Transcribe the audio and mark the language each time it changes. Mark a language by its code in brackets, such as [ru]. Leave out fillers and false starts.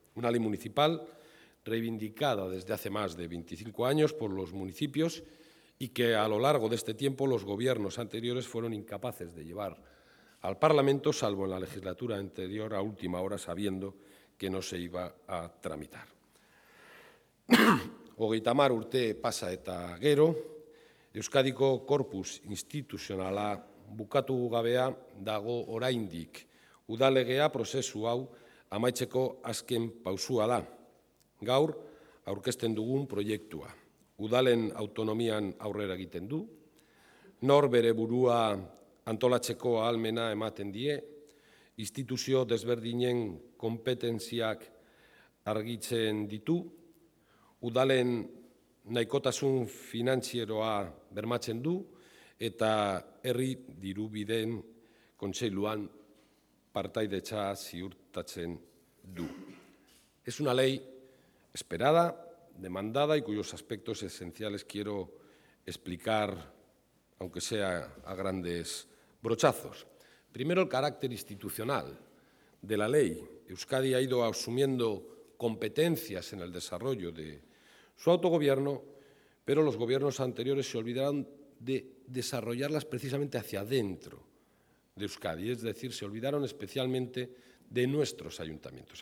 [es] Una ley municipal reivindicada desde hace más de 25 años por los municipios y que a lo largo de este tiempo los gobiernos anteriores fueron incapaces de llevar al Parlamento, salvo en la legislatura anterior a última hora, sabiendo que no se iba a tramitar. [eu] Hogeita hamar urte pasa eta gero, Euskadiko korpus instituzionala bukatu gabea dago oraindik. Udalegea prozesu hau amaitzeko azken pausua da. Gaur aurkezten dugun proiektua udalen autonomian aurrera egiten du, nor bere burua antolatzeko ahalmena ematen die, instituzio desberdinen kompetentziak argitzen ditu, udalen nahikotasun finantzieroa bermatzen du eta herri dirubideen kontseiluan partaidetza ziurtatzen du. [es] Es una ley esperada, demandada y cuyos aspectos esenciales quiero explicar, aunque sea a grandes brochazos. Primero, el carácter institucional de la ley. Euskadi ha ido asumiendo competencias en el desarrollo de su autogobierno, pero los gobiernos anteriores se olvidaron de desarrollarlas precisamente hacia adentro de Euskadi, es decir, se olvidaron especialmente de nuestros ayuntamientos.